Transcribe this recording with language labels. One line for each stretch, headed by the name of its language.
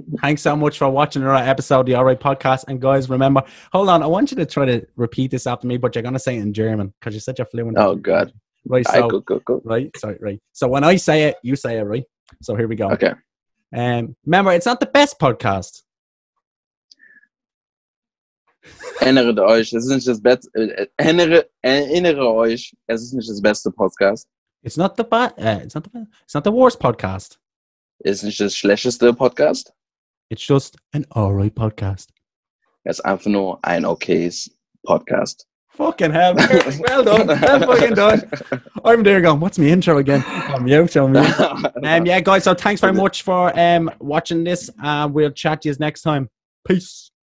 English: thanks so much for watching our episode of the All Right Podcast. And guys, remember, hold on. I want you to try to repeat this after me, but you're going to say it in German because you're such a fluent. Oh, God. Right. So, right. So when I say it, you say it, right? So here we go. Okay. Remember, it's not the best podcast.
German: Erinnert euch, es ist nicht das beste. Erinnere euch, es ist nicht das beste Podcast.
English: It's not the bad. It's not the worst podcast. It's not the
German: schlechteste
English: podcast. It's just an alright podcast. It's
German: einfach nur ein okayes podcast.
English: Fucking hell! Well done. Well fucking done. I'm there going, what's my intro again? I'm you, show me. Yeah, guys. So thanks very much for watching this. We'll chat to you next time. Peace.